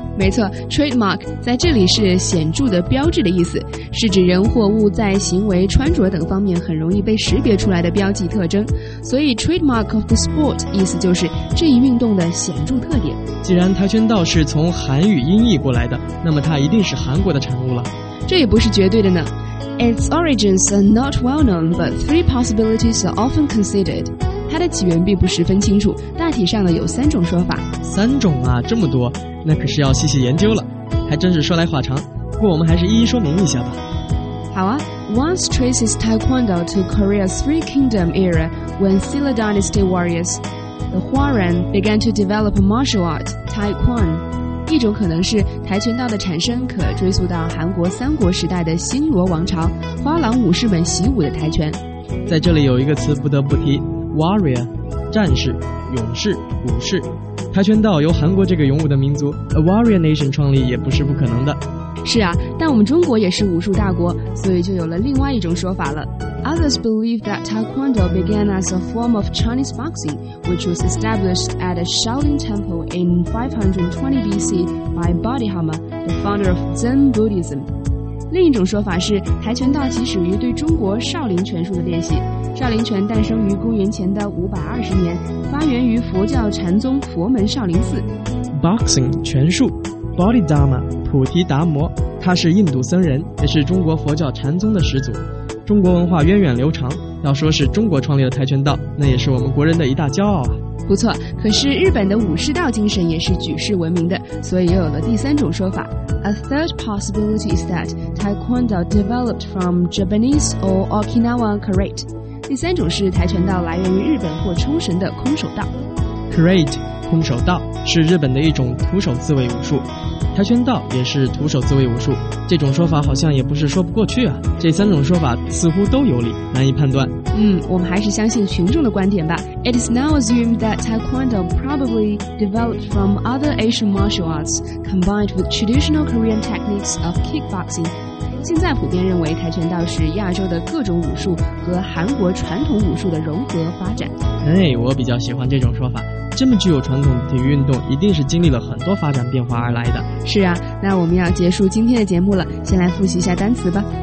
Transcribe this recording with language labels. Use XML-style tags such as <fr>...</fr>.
<zh>没错， trademark 在这里是显著的、标志的意思，是指人或物在行为、穿着等方面很容易被识别出来的标记特征。所以</zh> <en>trademark of the sport</en> <zh>意思就是这一运动的显著特点。既然跆拳道是从韩语音译过来的，那么它一定是韩国的产物了。这也不是绝对的呢。</zh> <en>Its origins are not well known, but 3 possibilities are often considered.</en> <zh>它的起源并不十分清楚，大体上呢有3种说法。 3种啊，这么多，那可是要细细研究了，还真是说来话长。不过我们还是一一说明一下吧。好啊。</zh> <en>Once traces Taekwondo to Korea's Three Kingdom era when Silla Dynasty warriors the Hwaren began to develop martial art Taekwon。</en> <zh>一种可能是跆拳道的产生可追溯到韩国三国时代的新罗王朝，花郎武士们习武的跆拳。在这里有一个词不得不提，Warrior, 战士、勇士、武士。跆拳道由韩国这个勇武的民族</zh> <en>A Warrior Nation</en> <zh>创立也不是不可能的。是啊，但我们中国也是武术大国，所以就有了另外一种说法了。</zh> <en>Others believe that Taekwondo began as a form of Chinese boxing, which was established at a Shaolin temple in 520 BC by Bodhidharma, the founder of Zen Buddhism.</en> <zh>另一种说法是跆拳道起始于对中国少林拳术的练习。少林拳诞生于公元前的520年，发源于佛教禅宗佛门少林寺。 Boxing 拳术 ，Bodhidharma 菩提达摩，他是印度僧人，也是中国佛教禅宗的始祖。中国文化源远流长，要说是中国创立了跆拳道，那也是我们国人的一大骄傲啊。不错，可是日本的武士道精神也是举世闻名的，所以又有了第3种说法。</zh> <en>A third possibility is that Taekwondo developed from Japanese or Okinawa karate.</en> <zh>第3种是跆拳道来源于日本或冲绳的空手道。 Karate 空手道是日本的一种徒手自卫武术，跆拳道也是徒手自卫武术，这种说法好像也不是说不过去啊。这3种说法似乎都有理，难以判断。我们还是相信群众的观点吧。</zh> <en>It is now assumed that Taekwondo probably developed from other Asian martial arts combined with traditional Korean techniques of kickboxing.</en> <zh>现在普遍认为跆拳道是亚洲的各种武术和韩国传统武术的融合发展。哎，我比较喜欢这种说法，这么具有传统的体育运动一定是经历了很多发展变化而来的。是啊，那我们要结束今天的节目了，先来复习一下单词吧。</zh>